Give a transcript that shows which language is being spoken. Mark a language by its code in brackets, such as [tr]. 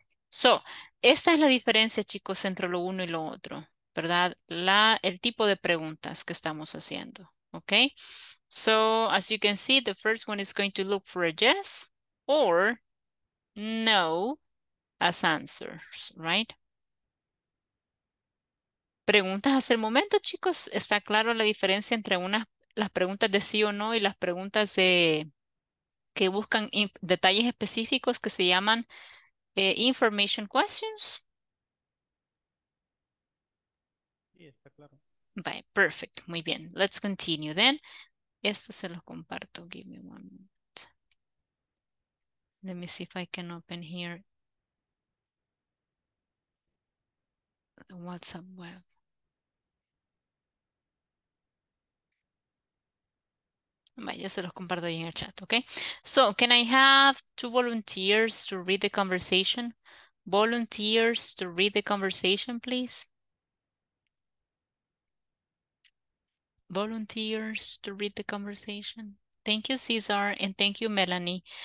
[es] So, esta es la diferencia, chicos, entre lo uno y lo otro, ¿verdad? El tipo de preguntas que estamos haciendo, ¿ok? [en] So, as you can see, the first one is going to look for a yes or no as answers, right? [es] ¿Preguntas hasta el momento, chicos? ¿Está claro la diferencia entre las preguntas de sí o no y las preguntas de que buscan detalles específicos que se llaman information questions? Sí, está claro. [en] Bye, perfect. [es] Muy bien. [en] Let's continue then. [es] Esto se los comparto. [en] Give me one moment. Let me see if I can open here the WhatsApp web. [es] Ya se los comparto ahí en el chat, ¿ok? [en] So, can I have two volunteers to read the conversation? Volunteers to read the conversation, please. Volunteers to read the conversation. Thank you, Cesar, and thank you, Melanie.